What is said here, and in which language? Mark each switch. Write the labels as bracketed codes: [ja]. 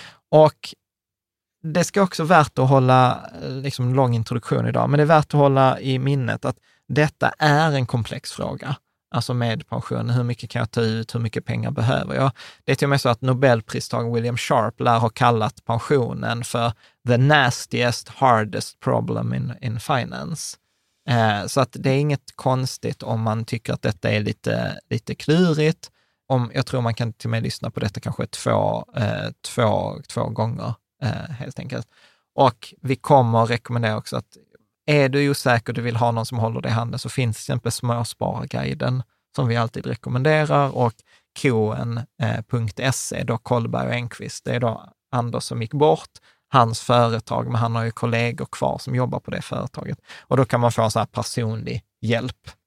[sv] Och det ska också värt att hålla, liksom en lång introduktion idag, men det är värt att hålla i minnet att detta är en komplex fråga. Alltså med pension, hur mycket kan jag ta ut, hur mycket pengar behöver jag? Det är till och med så att Nobelpristagaren William Sharpe lär ha kallat pensionen för [en] the nastiest, hardest problem in finance. [sv] Så att det är inget konstigt om man tycker att detta är lite klurigt. Om, jag tror man kan till och med lyssna på detta kanske två gånger helt enkelt. Och vi kommer rekommendera också att är du osäker och du vill ha någon som håller dig i handen, så finns till exempel Småspararguiden som vi alltid rekommenderar, och koen.se, då Kollberg och Enqvist, det är då Anders som gick bort, hans företag, men han har ju kollegor kvar som jobbar på det företaget, och då kan man få en så här personlig hjälp.